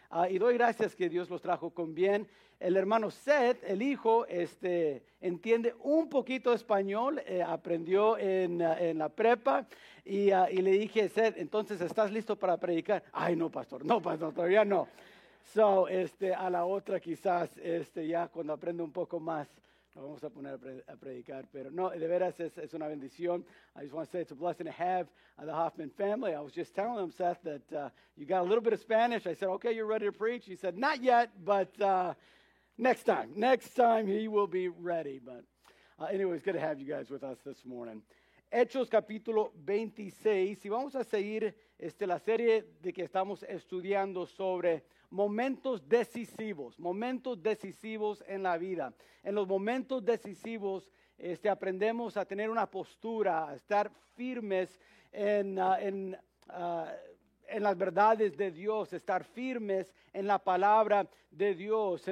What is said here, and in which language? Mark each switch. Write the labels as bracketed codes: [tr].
[es] Y doy gracias que Dios los trajo con bien. El hermano Seth, el hijo, entiende un poquito español, aprendió en la prepa y le dije, Seth, entonces, ¿estás listo para predicar? Ay, no, pastor, todavía no. [en] So, [es] a la otra quizás, ya cuando aprende un poco más, lo vamos a poner a predicar. Pero no, de veras es una bendición. [en] I just want to say it's a blessing to have the Hoffman family. I was just telling them, Seth, that you got a little bit of Spanish. I said, okay, you're ready to preach. He said, not yet, but next time he will be ready. But anyway, it's good to have you guys with us this morning. [es] Hechos capítulo 26. Y vamos a seguir la serie de que estamos estudiando sobre momentos decisivos en la vida. En los momentos decisivos aprendemos a tener una postura, a estar firmes en las verdades de Dios, estar firmes en la palabra de Dios.